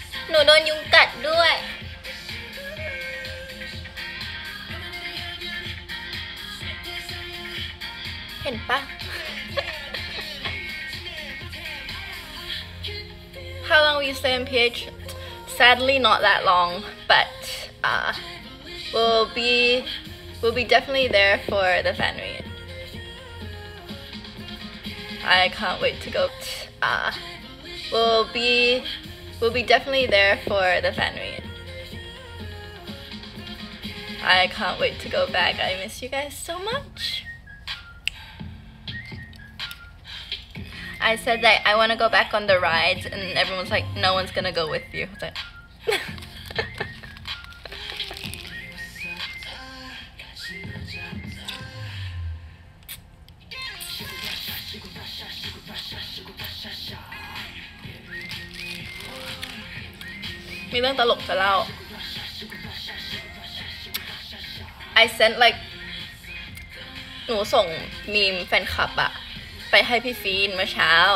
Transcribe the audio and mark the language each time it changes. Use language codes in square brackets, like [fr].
[th] หนูโดนยุงกัดด้วยเห็นปะ [en] How long will you stay in PH? Sadly, not that long, but we'll be definitely there for the fan meet. I can't wait to go. We'll be definitely there for the fan meet. I can't wait to go back. I miss you guys so much. I said that I want to go back on the rides, and everyone's like, "No one's gonna go with you." But [th] มีเรื่องตลกจะเล่า [en] I sent like [th] หนูส่งมีมแฟนคลับอะไปให้พี่ฟีนเมื่อเช้า